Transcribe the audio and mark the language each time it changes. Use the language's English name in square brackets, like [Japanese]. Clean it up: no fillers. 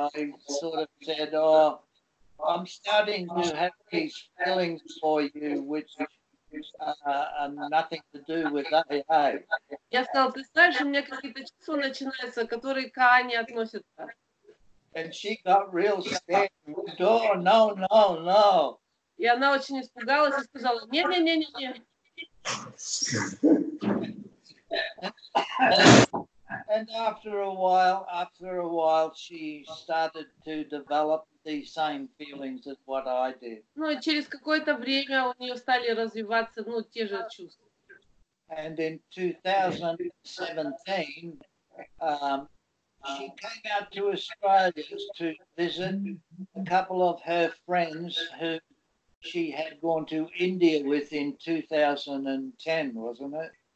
[English] I sort of said, oh, I'm starting to have these feelings for you, which are nothing to do with AA. [Russian] Я сказал, ты знаешь, у меня какие-то чувства начинаются, которые к АА не относятся. [English] And she got real scared. Oh, no, no, no. [Russian] И она очень испугалась и сказала, не-не-не-не-не. [English] And after a while, she started to develop the same feelings as what I did. [Russian] Ну, и через какое-то время у нее стали развиваться, ну, те же чувства. [English] And in 2017, she came out to Australia to visit a couple of her friends who she had gone to India with in 2010, wasn't it?